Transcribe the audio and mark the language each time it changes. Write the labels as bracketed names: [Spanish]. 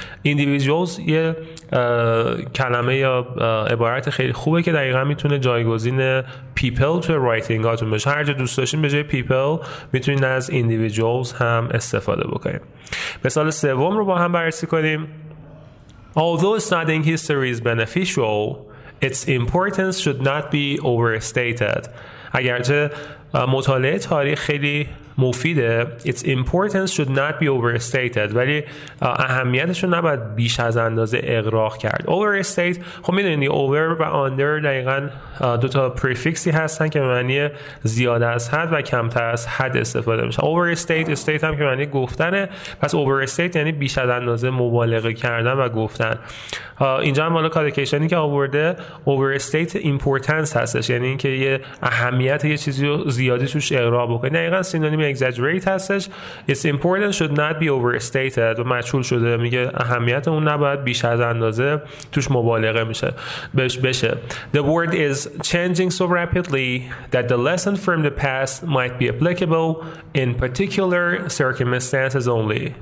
[Persian] individuals یه کلمه یا عبارت خیلی خوبه که دقیقا میتونه جایگزین people تو رایتینگ هاتون بشه. هر جا دوست داشتین به جای people میتونین از individuals هم استفاده بکنیم. مثال سوم رو با هم بررسی کنیم. [English] Although studying history is beneficial, its importance should not be overstated. [Persian] اگرچه مطالعه تاریخ خیلی مفیده، [English] its importance should not be overstated، [Persian] ولی اهمیتش رو نباید بیش از اندازه اغراق کرد. overstate، خب میدونید over و under دقیقا دوتا پریفیکسی هستن که معنی زیاد از حد و کمتر از حد استفاده میشن. overstate، state هم که معنی گفتنه، پس overstate یعنی بیش از اندازه مبالغه کردن و گفتن. اینجا هم حالا کادکیشنی که آورده overstate importance هستش، یعنی اینکه یه اهمیت یه چیزی رو زیادی توش اغراق بکنی. دقیقا سینونیم exaggerate هستش. [English] It's important should not be overstated [Persian] و مجهول شده، میگه اهمیت اون نباید بیش از اندازه توش مبالغه میشه بشه. [English] The world is changing so rapidly that the lesson from the past might be applicable in particular circumstances only.